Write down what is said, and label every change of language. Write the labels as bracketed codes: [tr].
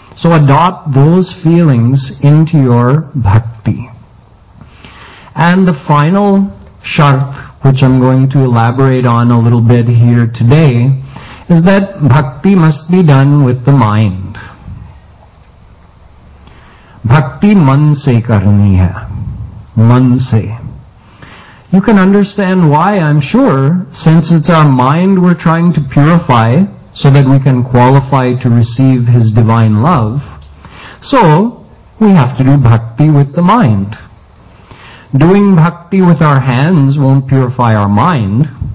[en] So adopt those feelings into your bhakti. And the final shart, which I'm going to elaborate on a little bit here today, is that bhakti must be done with the mind. [hi] भक्ति मन से करनी है। Man se. [en] You can understand why, I'm sure, since it's our mind we're trying to purify so that we can qualify to receive His divine love. So, we have to do bhakti with the mind. Doing bhakti with our hands won't purify our mind.